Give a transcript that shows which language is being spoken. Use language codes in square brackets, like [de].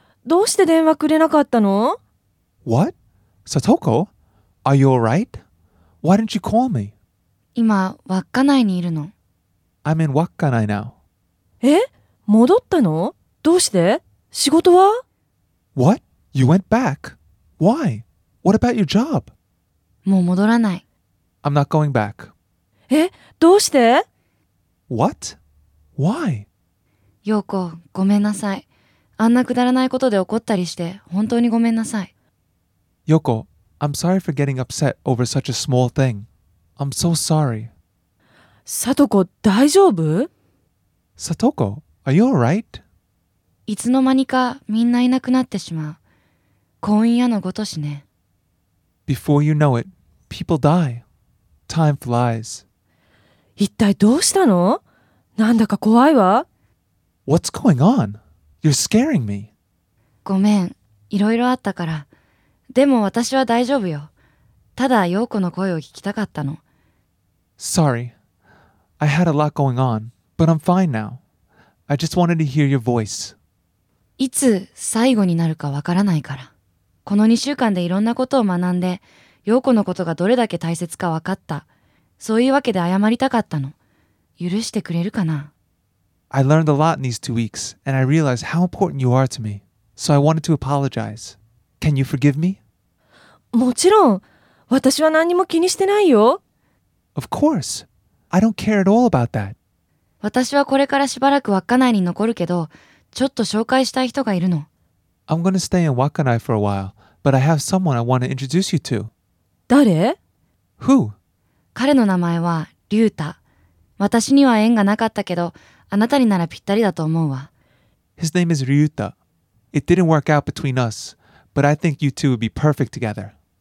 [ja] どうして電話くれなかったの？ [en] What? さとこ Are you alright? Why didn't you call me? [ja] 今稚内にいるの。 [en] I'm in 稚内 now。 [ja] え、戻ったの？どうして？仕事は？ [en] What? You went back? Why? What about your job? [ja] もう戻らない。 [en] I'm not going back。 [ja] え、どうして？ [en] What? Why? [ja] ヨーコ、ごめんなさい。あんなくだらないことで怒ったりして本当にごめんなさい。 [en] ヨーコ、I'm sorry for getting upset over such a small thing. I'm so sorry. [ja] サトコ、大丈夫？ [en] サトコ、Are you alright? [ja] いつの間にかみんないなくなってしまう。婚姻屋のごとしね。 [en] Before you know it, people die. Time flies. [ja] 一体どうしたの？なんだか怖いわ。 [en] What's going on? You're scaring me. [ja] ごめん、いろいろあったから。でも私は大丈夫よ。ただ陽子の声を聞きたかったの。 [en] Sorry. I had a lot going on, but I'm fine now. I just wanted to hear your voice. [ja] いつ最後になるかわからないから。この2週間でいろんなことを学んで、陽子のことがどれだけ大切かわかった。そういうわけで謝りたかったの。許してくれるかな？ [en] I learned a lot in these 2 weeks, and I realized how important you are to me. So I wanted to apologize. Can you forgive me? [ja] もちろん。私は何にも気にしてないよ。 [en] Of course. I don't care at all about that. [ja] 私はこれからしばらく稚内に残るけど、ちょっと紹介したい人がいるの。 [en] I'm gonna stay in 稚内 for a while, but I have someone I wanna introduce you to. [ja] 誰？ [en] Who? [ja] 彼の名前はリュウタ。私には縁がなかったけど、あなたにならぴったりだと思うわ。 [en] His name is Ryuta. It didn't work out between us, but I think you two would be perfect together.